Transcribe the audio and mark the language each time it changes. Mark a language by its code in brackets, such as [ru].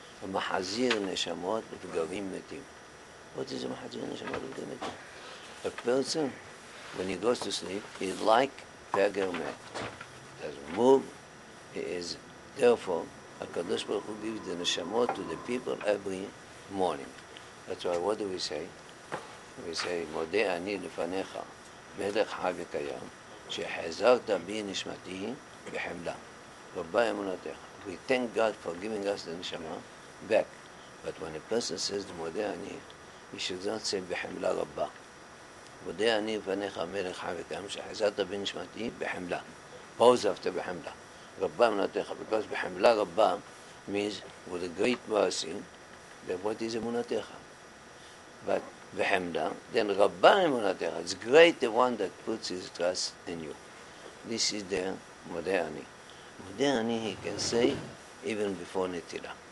[en] A mahazir neshamot v'garim metim. What is a mahazir neshamot v'garim metim? A person, when he goes to sleep, he's like beggar met. He doesn't move. He is, therefore, HaKadosh Baruch Hu gives the neshamot to the people every morning. That's why, what do we say? We say, Mode ani lefanecha. [he] מלך חי וקיים, שחזרת בי נשמתי בחמלה. רבה אמונתך. [en] We thank God for giving us the neshama back. But when a person says, מודה אני, he should not say בחמלה רבה. [he] מודה אני בפניך מלך חי וקיים, שחזרת בי נשמתי בחמלה. [en] Pause after בחמלה. רבה אמונתך. Because בחמלה רבה means with a great mercy, then what is אמונתך? But Vehemda, then Rabban Emunatecha, it's great, the one that puts his trust in you. This is the Modeani. Modeani, he can say even before Netila.